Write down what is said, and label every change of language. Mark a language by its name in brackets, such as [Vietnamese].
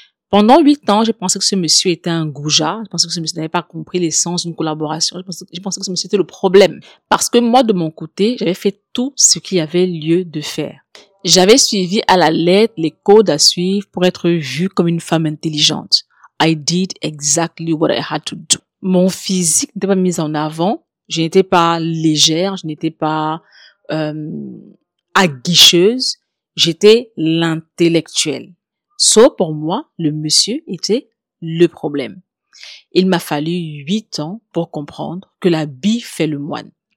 [French] Pendant 8 ans, j'ai pensé que ce monsieur était un goujat. Je pensais que ce monsieur n'avait pas compris l'essence d'une collaboration. Je pensais que ce monsieur était le problème. Parce que moi, de mon côté, j'avais fait tout ce qu'il y avait lieu de faire. J'avais suivi à la lettre les codes à suivre pour être vue comme une femme intelligente. [English] I did exactly what I had to do. [French] Mon physique n'était pas mis en avant. Je n'étais pas légère. Je n'étais pas aguicheuse. J'étais l'intellectuelle. Sauf pour moi, le monsieur était le problème. Il m'a fallu 8 ans pour comprendre que la bille fait le moine.